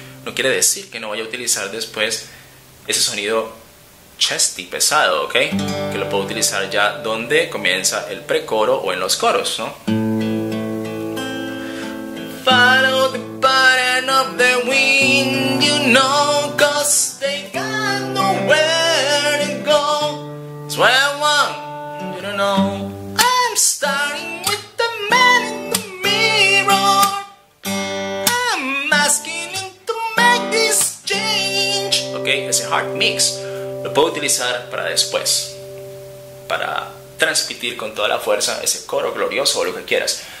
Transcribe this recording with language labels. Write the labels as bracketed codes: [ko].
[es] No quiere decir que no vaya a utilizar después ese sonido chesty, pesado, ¿ok? Que lo puedo utilizar ya donde comienza el precoro o en los coros, ¿no? [en] Follow the pattern of the wind, you know, cause they got nowhere to go. That's what I want, you don't know. I'm starting with the man in the mirror. I'm asking him to make this change. [es] Ok, ese hard mix lo puedo utilizar para después, para transmitir con toda la fuerza ese coro glorioso o lo que quieras.